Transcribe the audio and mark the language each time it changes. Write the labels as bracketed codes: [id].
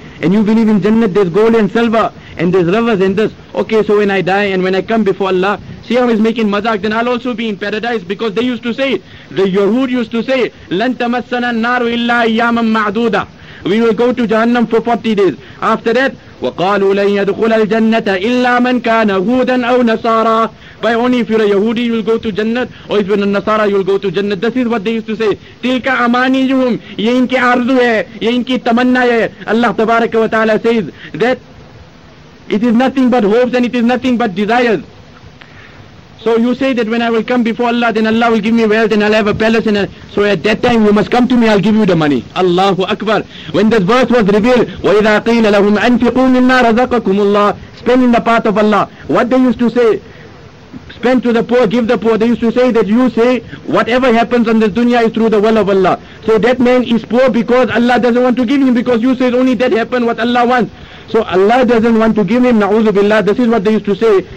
[en] And you believe in Jannat, there's gold and silver. And there's rivers and this. Okay, so when I die and when I come before Allah, see how he's making mazak, then I'll also be in paradise. Because they used to say, the Yahud used to say, [ar] لَن تَمَسَّنَا النَّارُ إِلَّا أَيَّامًا مَعْدُودًا. [en] We will go to Jahannam for 40 days. After that, [ar] وَقَالُوا لَنْ يَدْخُلَ الْجَنَّةَ إِلَّا مَنْ كَانَ هُودًا أَوْ نَصَارًا. [en] By only if you're a Yahudi, you'll go to Jannat, or if you're a Nasara, you'll go to Jannat. This is what they used to say. [ar] تِلْكَ أَمَانِيُّهُمْ. [ur] Yeh inki arzu hai, yeh inki tamanna hai. [en] Allah tabaraka wa ta'ala says that it is nothing but hopes and it is nothing but desires. So you say that when I will come before Allah, then Allah will give me wealth and I'll have a palace. And so at that time, you must come to me, I'll give you the money. Allahu Akbar. When this verse was revealed, [ar] وَإِذَا قِيلَ لَهُمْ أَنْفِقُوا مِمَّا رَزَقَكُمُ اللَّهِ. [en] Spend in the path of Allah. What they used to say, spend to the poor, give the poor. They used to say that you say, whatever happens on this dunya is through the will of Allah. So that man is poor because Allah doesn't want to give him, because you say only that happened what Allah wants. So Allah doesn't want to give him, na'udhu billah, this is what they used to say.